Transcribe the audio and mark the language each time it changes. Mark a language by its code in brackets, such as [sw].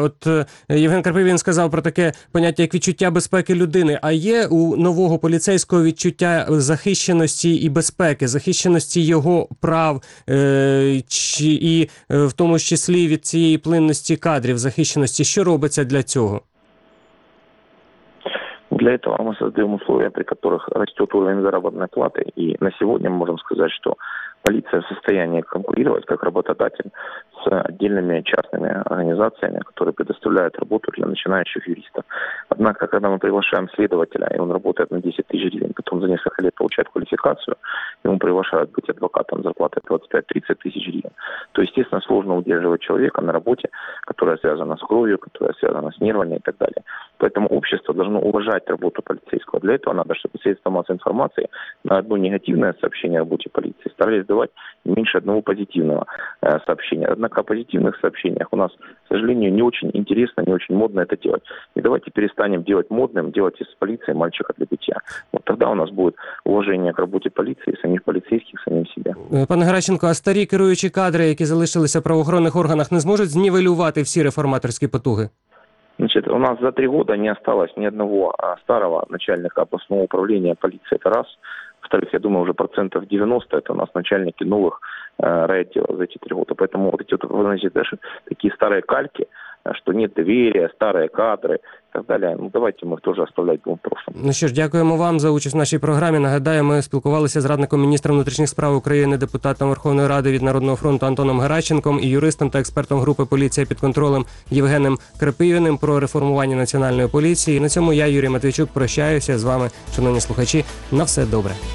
[uk] От Євген Карпів сказав про таке поняття, як відчуття безпеки людини. А є у нового поліцейського відчуття захищеності і безпеки, захищеності його прав, чи і в тому числі від цієї плинності кадрів, захищеності, що робиться для цього? [ru] Для этого мы создаем условия, при которых растет уровень заработной платы. И на сегодня мы можем сказать, что полиция в состоянии конкурировать как работодатель с отдельными частными организациями, которые предоставляют работу для начинающих юристов. Однако, когда мы приглашаем следователя, и он работает на 10 тысяч гривен, потом за несколько лет получает квалификацию, ему приглашают быть адвокатом зарплаты 25-30 тысяч гривен, то, естественно, сложно удерживать человека на работе, которая связана с кровью, которая связана с нервами и так далее. Поэтому общество должно уважать работу полицейского. Для этого надо, чтобы средства массовой информации на одно негативное сообщение о работе полиции старались давать меньше одного позитивного сообщения. Однако о позитивных сообщениях у нас, к сожалению, не очень интересно, не очень модно это делать. И давайте перестанем делать модным, делать из полиции мальчика для битья. Вот тогда у нас будет уважение к работе полиции, самих полицейских, самим себе. [uk] Пане Геращенко, а старі керуючі кадри, які залишилися в правоохоронних органах, не зможуть знівелювати всі реформаторські потуги? [ru] Значит, у нас за 3 года не осталось ни одного старого начальника областного управления полиции. Это раз. Во-вторых, я думаю, уже процентов 90% это у нас начальники новых рейдеров за эти три года. Поэтому вот эти вот, вы знаете, даже такие старые кальки, что нет доверия, старые кадры и так далі. Ну, давайте ми теж оставлять в прошлом. [uk] Ну що ж, дякуємо вам за участь в нашій програмі. Нагадаю, ми спілкувалися з радником міністра внутрішніх справ України, депутатом Верховної Ради від Народного фронту Антоном Геращенком і юристом та експертом групи «Поліція під контролем» Євгеном Крапивіним про реформування національної поліції. І на цьому я, Юрій Матвійчук, прощаюся з вами, шановні слухачі. На все добре.